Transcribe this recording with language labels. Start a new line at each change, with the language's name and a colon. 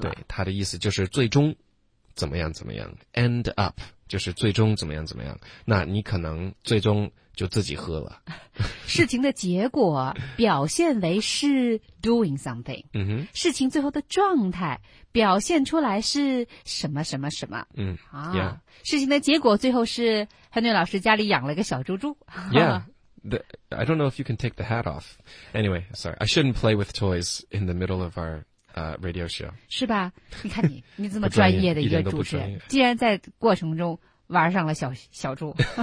Chinese: 对，它的意思就是最终怎么样怎么样， end up 就是最终怎么样怎么样，那你可能最终就自己喝了。事情的结果表现为是 doing something、嗯、哼事情最后的状态表现出来是什么什么什么。嗯、yeah. 啊，事情的结果最后是 Henry 老师家里养了个小猪猪。
English: Yeah, I don't know if you can take the hat off. Anyway, sorry, I shouldn't play with toys in the middle of ourradio show.
Chinese: 是吧？你看你这么专业的一个主持人，竟然在过程中玩上了小猪。